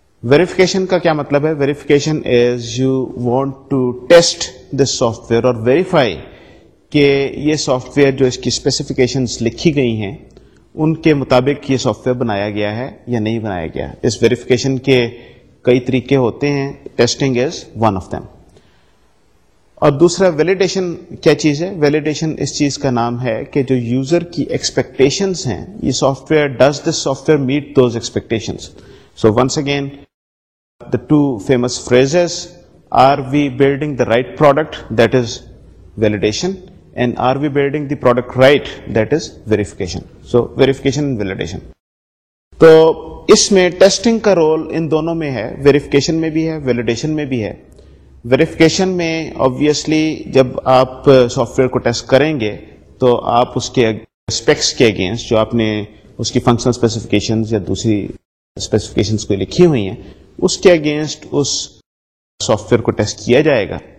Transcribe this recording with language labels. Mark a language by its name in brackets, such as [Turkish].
[Urdu] Verification کا کیا مطلب ہے؟ [English] verification is you want to test this software [Urdu] اور ویریفائی کہ یہ سافٹ ویئر جو اس کی اسپیسیفکیشنس لکھی گئی ہیں ان کے مطابق یہ سافٹ ویئر بنایا گیا ہے یا نہیں بنایا گیا. اس ویریفیکیشن کے کئی طریقے ہوتے ہیں, [English] Testing is one of them. [Urdu] اور دوسرا ویلیڈیشن کیا چیز ہے؟ ویلیڈیشن اس چیز کا نام ہے کہ جو یوزر کی ایکسپیکٹیشنز ہیں یہ soft where, [English] Does this software meet those expectations. So once again the two famous phrases, are we building the right product, that is validation, and are we building the product right, that is verification. So verification and validation. [Urdu] تو اس میں testing کا role in دونوں میں ہے, verification میں بھی ہے, validation میں بھی ہے. ویریفیکیشن میں آبویسلی جب آپ سافٹ ویئر کو ٹیسٹ کریں گے تو آپ اس کے اسپیکس کے اگینسٹ, جو آپ نے اس کی فنکشنل اسپیسیفکیشنز یا دوسری اسپیسیفکیشنز کو لکھی ہوئی ہیں اس کے اگینسٹ اس سافٹ ویئر کو ٹیسٹ کیا جائے گا.